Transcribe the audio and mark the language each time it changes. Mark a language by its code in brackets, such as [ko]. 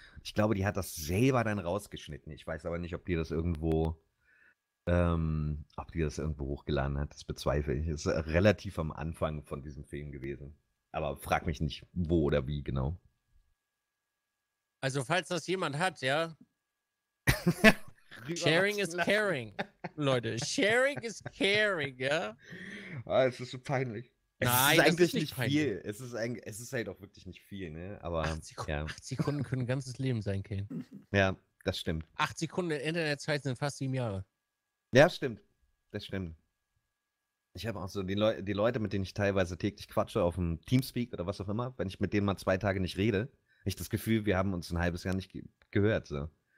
[de] Ich glaube, die hat das selber dann rausgeschnitten. Ich weiß aber nicht, ob die das irgendwo hochgeladen hat. Das bezweifle ich. Das ist relativ am Anfang von diesem Film gewesen. Aber frag mich nicht, wo oder wie genau. Also, falls das jemand hat, ja. [en] Sharing is caring, Leute. Sharing is caring, ja? [de] Oh, es ist so peinlich. Nein, es ist eigentlich ist nicht peinlich. Viel. Es ist halt auch wirklich nicht viel, ne? Aber 8 Sekunden können ein ganzes Leben sein, Kane. Ja, das stimmt. 8 Sekunden Internetzeit sind fast 7 Jahre. Ja, stimmt. Das stimmt. Ich habe auch so die Leute, mit denen ich teilweise täglich quatsche, auf dem Teamspeak oder was auch immer, wenn ich mit denen mal 2 Tage nicht rede, habe ich das Gefühl, wir haben uns ein halbes Jahr nicht gehört, so.